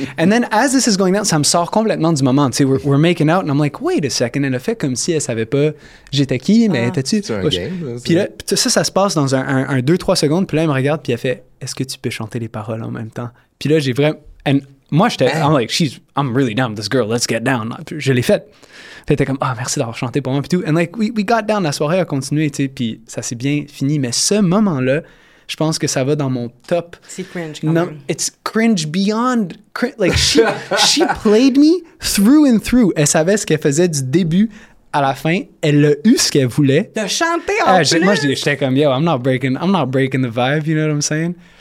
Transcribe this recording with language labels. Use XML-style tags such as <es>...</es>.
<en>And then, as this is going down,</en> <fr>ça me sort complètement du moment. Tu sais,</fr> <en>we're making out, and I'm like, wait a second.</en> <fr>Elle a fait comme si elle savait pas j'étais qui, mais étais-tu? C'est un game. Puis là, ça se passe dans un 2-3 secondes. Puis là, elle me regarde, puis elle fait, est-ce que tu peux chanter les paroles en même temps? Puis là, j'ai vraiment... Moi, j'étais,</fr> <en>I'm like, I'm really down with this girl, let's get down.</en> <fr>Je l'ai fait. Fait t'es comme, ah, merci d'avoir chanté pour moi, puis tout.</fr> <en>And like, we got down,</en> <fr>la soirée a continué, tu sais, puis ça s'est bien fini. Mais ce moment-là, je pense que ça va dans mon top. C'est cringe, quand même. Non,</fr> <en>it's cringe beyond, like, she played me through and through.</en> <fr>Elle savait ce qu'elle faisait du début à la fin. Elle a eu ce qu'elle voulait. De chanter en plus. Moi, j'étais comme,</fr> <en>yo, I'm not breaking the vibe, you know what I'm saying?</en>